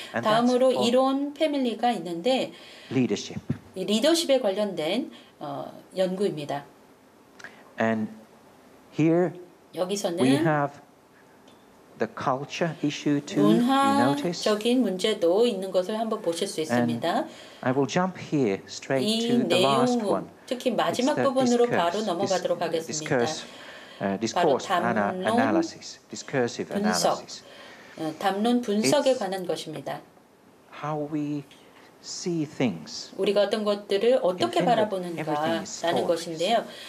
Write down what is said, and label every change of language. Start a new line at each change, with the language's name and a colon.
Korean: 다음으로 이론 패밀리가 있는데 리더십에 관련된 연구입니다.
English: And here
Korean: 여기서는
English: we have the culture issue too.
Korean: 문화적인 문제도 있는 것을 한번 보실 수 있습니다.
English: I will jump here straight to the last one.
Korean: 특히 마지막 부분으로 바로 넘어가도록 하겠습니다.
English: Discursive analysis.
Korean: 담론 분석에 관한 것입니다.
English: How we see things.
Korean: 우리가 어떤 것들을 어떻게 바라보는가라는 것인데요.